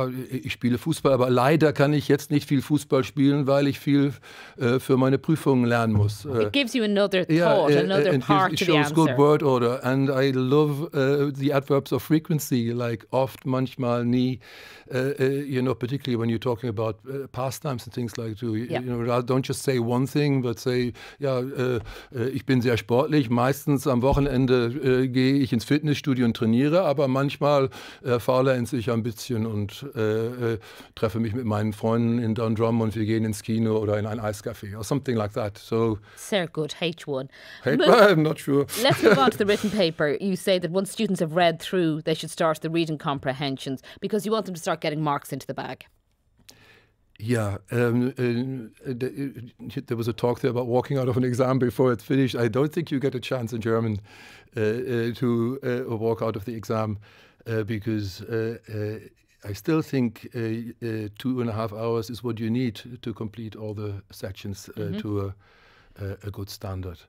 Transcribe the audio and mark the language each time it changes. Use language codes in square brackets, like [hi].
[de] Ich spiele Fußball, aber leider kann ich jetzt nicht viel Fußball spielen, weil ich viel für meine Prüfungen lernen muss. [en] It gives you another thought, another part to the answer. It shows good word order. And I love the adverbs of frequency, like [de] oft, manchmal, nie. [en] Particularly when you're talking about pastimes and things like that. Don't just say one thing, but say, [de] ich bin sehr sportlich. Meistens am Wochenende gehe ich ins Fitnessstudio und trainiere, aber manchmal faulenze ich ein bisschen und treffe mich mit meinen Freunden in Dundrum und wir gehen ins Kino oder in ein Eiscafé [en] or something like that. So, [de] sehr gut, H1. [en] I'm not sure. Let's move on to the written paper. You say that once students have read through, they should start the reading comprehensions, because you want them to start getting marks into the bag. Yeah, there was a talk there about walking out of an exam before it's finished. I don't think you get a chance in German to walk out of the exam, because I still think 2.5 hours is what you need to complete all the sections to a good standard.